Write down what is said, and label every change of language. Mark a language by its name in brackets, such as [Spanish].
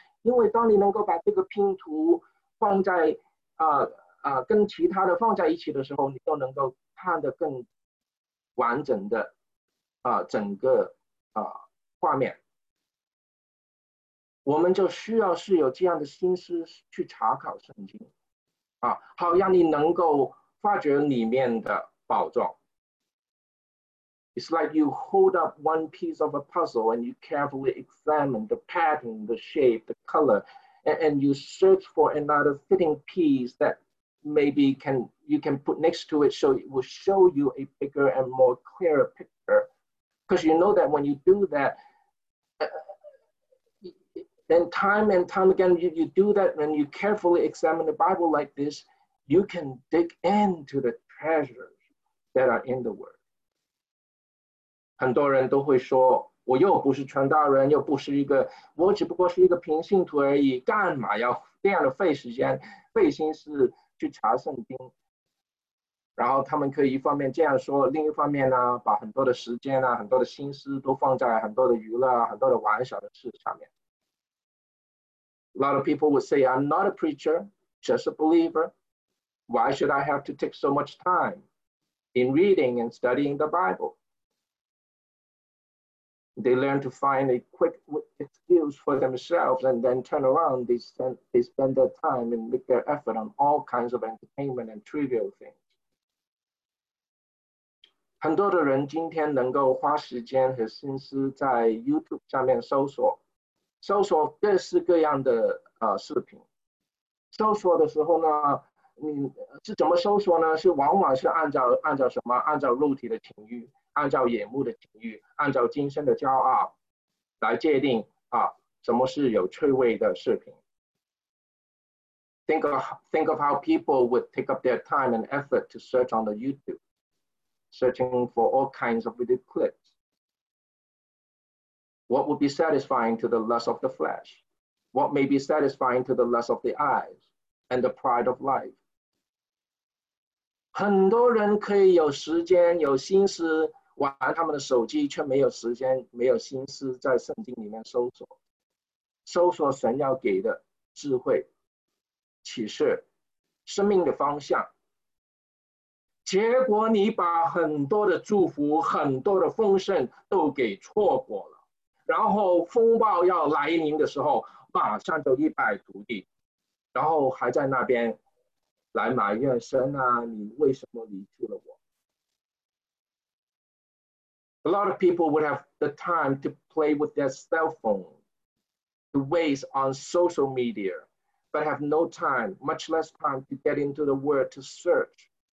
[Chinese] 因为当你能够把这个拼图放在跟其他的放在一起的时候，你就能够看得更完整的整个画面。我们就需要是有这样的心思去查考圣经好让你能够发掘里面的宝藏。 [English] It's like you hold up one piece of a puzzle and you carefully examine the pattern, the shape, the color, and you search for another fitting piece that maybe you can put next to it so it will show you a bigger and more clearer picture. Because you know that when you do that, then time and time again, you do that when you carefully examine the Bible like this, you can dig into the treasures that are in the Word. [Chinese] 很多人都会说，我又不是传道人，又不是一个，我只不过是一个平信徒而已，干嘛要这样的费时间，费心思去查圣经？然后他们可以一方面这样说，另一方面呢，把很多的时间啊，很多的心思都放在很多的娱乐，很多的玩耍的事上面。 [English] A lot of people would say, I'm not a preacher, just a believer. Why should I have to take so much time in reading and studying the Bible? They learn to find a quick excuse for themselves and then turn around. They spend their time and make their effort on all kinds of entertainment and trivial things. [Chinese] 很多的人今天能够花时间和心思在 YouTube 上面搜索各式各样的视频，搜索的时候呢，你是怎么搜索呢？是往往是按照什么？按照肉体的情欲，按照眼目的情欲，按照今生的骄傲来界定什么是有趣味的视频。 [English] Think of how people would take up their time and effort to search on the YouTube, searching for all kinds of video clips. What would be satisfying to the lust of the flesh? What may be satisfying to the lust of the eyes and the pride of life? [Chinese] 很多人可以有时间有心思玩他们的手机，却没有时间没有心思在圣经里面搜索神要给的智慧、启示、生命的方向。结果你把很多的祝福、很多的丰盛都给错过了。然后风暴要来临的时候，马上就一败涂地，然后还在那边来埋怨神啊，你为什么离弃了我？ [English] A lot of people would have the time to play with their cell phone, to waste on social media, but have no time, much less time to get into the Word to search.